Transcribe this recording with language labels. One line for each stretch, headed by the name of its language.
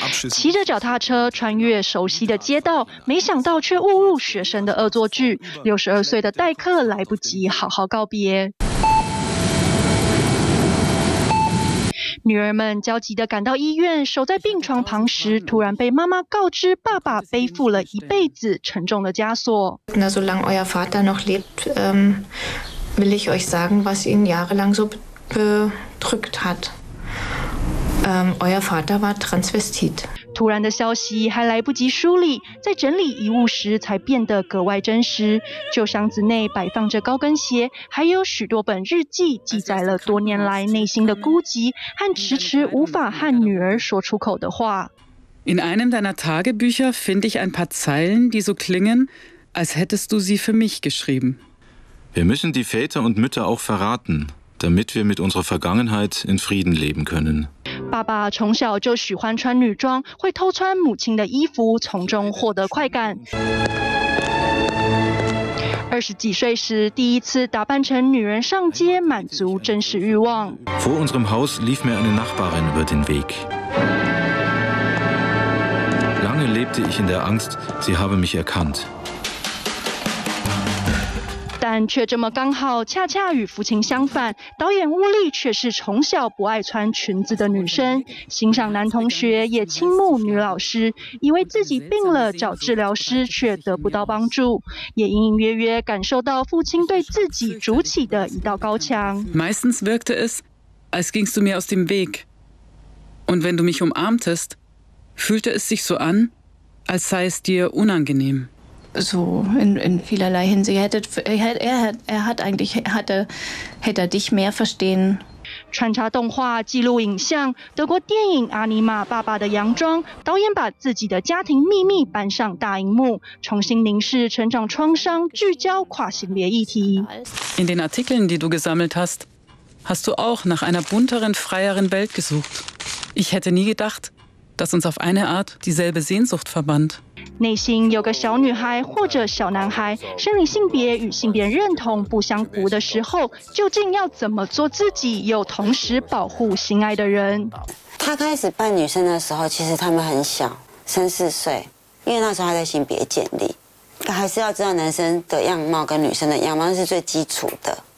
Chinese: 骑着脚踏车穿越熟悉的街道，没想到却误入学生的恶作剧。 62岁的代课来不及好好告别，女儿们焦急地赶到医院，守在病床旁时，突然被妈妈告知，爸爸背负了一辈子沉重的枷锁。
German: 那 solange euer Vater noch lebt, will ich euch sagen, was ihn jahrelang so bedrückt hat. Euer Vater war transvestit.
Chinese: 突然的消息还来不及梳理，在整理遗物时才变得格外真实。旧箱子内摆放着高跟鞋，还有许多本日记，记载了多年来内心的孤寂和迟迟无法和女儿说出口的话。
German: In einem deiner Tagebücher finde ich ein paar Zeilen, die so klingen, als hättest du sie für mich geschrieben. Wir müssen die Väter und Mütter auch verraten. Damit wir mit unserer Vergangenheit in Frieden leben können.
Chinese: 爸爸从小就喜欢穿女装，会偷穿母亲的衣服，从中获得快感。 20几岁时，第一次打扮成女人上街，满足真实欲望。
German: Vor unserem Haus lief mir eine Nachbarin über den Weg. Lange lebte ich in der Angst, sie habe mich erkannt.
Chinese: 但却这么刚好，恰恰与福琴相反，导演乌力却是从小不爱穿裙子的女生，欣赏男同学也倾慕女老师，以为自己病了找治疗师却得不到帮助，也隐隐约约感受到父亲对自己筑起的一道高墙。
German: Meistens wirkte es, als gingst du mir aus dem Weg. Und wenn du mich umarmtest, fühlte es sich so an, als sei es dir unangenehm. So in vielerlei Hinsicht. Er hätte dich mehr verstehen.
Chinese: 穿插动画、记录影像、德国电影《阿尼玛爸爸的洋装》，导演把自己的家庭秘密搬上大荧幕，重新凝视成长创伤，聚焦跨性别议题。
German: In den Artikeln, die du gesammelt hast, hast du auch nach einer bunteren, freieren Welt gesucht. Ich hätte nie gedacht, dass uns auf eine Art dieselbe Sehnsucht verband.
Chinese: 内心有个小女孩或者小男孩，生理性别与性别认同不相符的时候，究竟要怎么做自己，又同时保护心爱的人？他开始扮女生的时候，其实他们很小，三四岁，因为那时候他在性别建立，他还是要知道男生的样貌跟女生的样貌是最基础的。